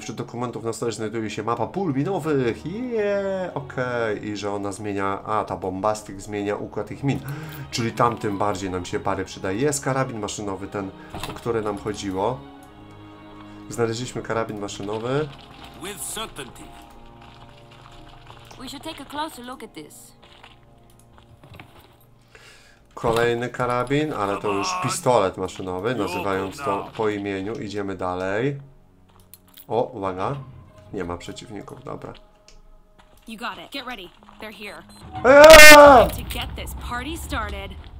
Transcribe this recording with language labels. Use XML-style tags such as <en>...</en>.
<pl>Wśród dokumentów na stole znajduje się mapa pól minowych. Okej. I że ona zmienia... A, ta bombastyk zmienia układ ich min. Czyli tam tym bardziej nam się parę przydaje. Jest karabin maszynowy, ten, o który nam chodziło. Znaleźliśmy karabin maszynowy.</pl> <en>With certainty. We should take a closer look at this.</en> <pl>Kolejny karabin, ale to już pistolet maszynowy, nazywając to po imieniu. Idziemy dalej. O, uwaga. Nie ma przeciwników, dobra.</pl> <en>You got it. Get ready. They're here. To get this party started.</en>